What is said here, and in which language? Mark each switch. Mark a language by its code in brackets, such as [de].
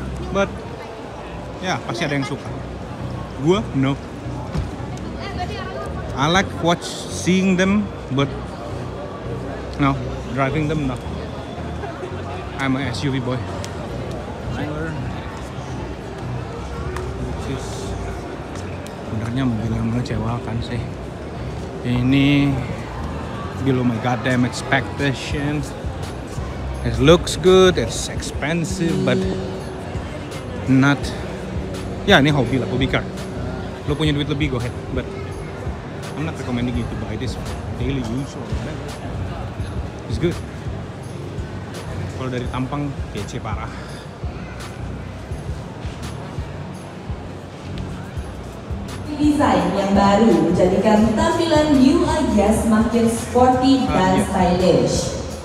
[en] But ya, yeah, [id] pasti ada yang suka. Gua no. [en] I like watch seeing them, but no, driving them no. I'm a SUV boy. Which is [id] sebenarnya mobil yang mengecewakan sih. Ini [en] below my goddamn expectations. It looks good, it's expensive, but not. Yeah, [id] ini hobi lah, hobi car. Lo punya duit lebih, [en] go ahead. But I'm not recommending you to buy this daily use or whatever. It's good. [id] Kalau dari tampang, kece parah. Desain yang baru menjadikan tampilan UI semakin sporty dan stylish.